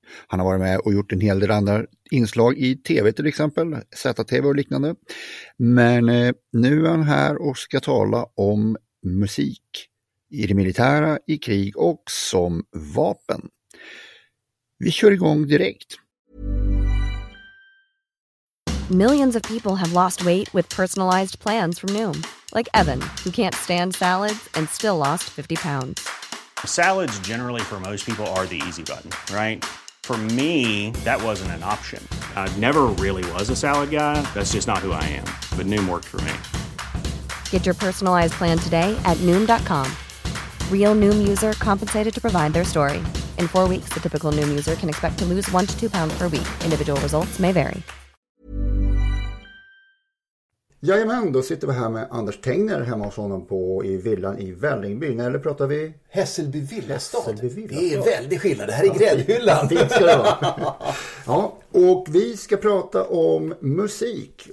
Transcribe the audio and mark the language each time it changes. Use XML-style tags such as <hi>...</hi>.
<sv>Han har varit med och gjort en hel del andra inslag i tv till exempel, ZTV och liknande. Men nu är han här och ska tala om musik i det militära, i krig och som vapen. Vi kör igång direkt.</sv> <en>Millions of people have lost weight with personalized plans from Noom. Like Evan, who can't stand salads and still lost 50 pounds. Salads generally for most people are the easy button, right? For me, that wasn't an option. I never really was a salad guy. That's just not who I am. But Noom worked for me. Get your personalized plan today at Noom.com. Real Noom user compensated to provide their story. In 4 weeks, the typical Noom user can expect to lose 1 to 2 pounds per week. Individual results may vary.</en> <sv>Jajamän, då sitter vi här med Anders Tengner hemma hos honom i villan i Vällingby. Eller pratar vi? Hässelby Villastad. Hässelby Villastad. Det är en väldig skillnad. Det här är gräddhyllan. Fint ska det vara. Ja, och vi ska prata om musik.</sv>